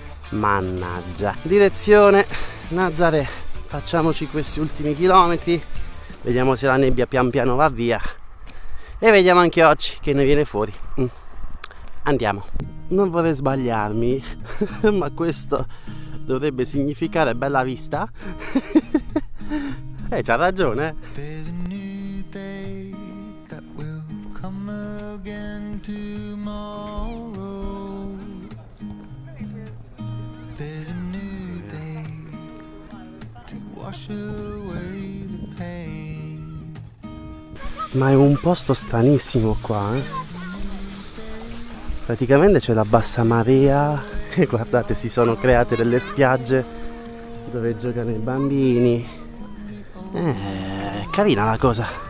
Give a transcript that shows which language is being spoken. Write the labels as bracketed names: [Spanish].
[Italian] Mannaggia. Direzione Nazaré. Facciamoci questi ultimi chilometri. Vediamo se la nebbia pian piano va via. E vediamo anche oggi che ne viene fuori. Andiamo. Non vorrei sbagliarmi, ma questo dovrebbe significare bella vista. C'ha ragione. [English] There's a new day that will come again tomorrow. There's a new day to wash away the pain. [Italian] Ma è un posto stranissimo qua, eh? Praticamente c'è la bassa marea e guardate, si sono create delle spiagge dove giocano i bambini. È carina la cosa.